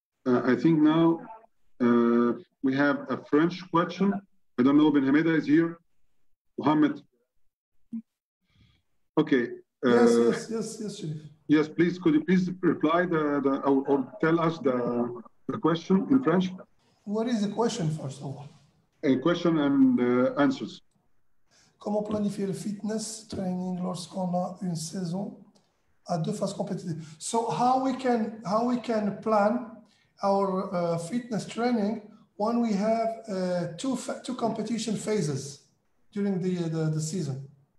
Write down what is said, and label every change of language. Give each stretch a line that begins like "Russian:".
English: I think now we have a French question. I don't know if Benhameda is here. Mohammed. Okay. Yes, yes, please. Could you please reply or tell us the question in French? What is the question, first of all? A question and answers.
French: Comment planifier le fitness training lorsqu'on a une saison à deux phases compétitives?
English: So how we can plan our fitness training when we have two competition phases during the season?